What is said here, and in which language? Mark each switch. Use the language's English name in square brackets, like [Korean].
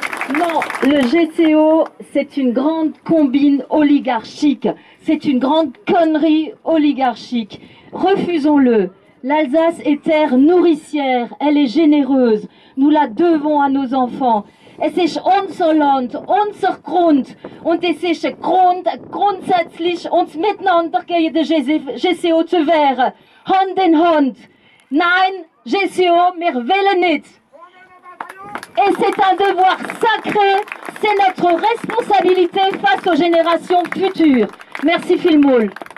[French] Non, le GCO, c'est une grande combine oligarchique. C'est une grande connerie oligarchique. Refusons-le. L'Alsace est terre nourricière. Elle est généreuse. Nous la devons à nos enfants. [German] Es ist unser Land, unser Grund. Und es ist Grund, grundsätzlich uns miteinander gehen, GCO zu wehren. Hand in Hand. Nein, GCO, wir wollen nicht. [French] Et c'est un devoir sacré, c'est notre responsabilité face aux générations futures. Merci Phil Moule.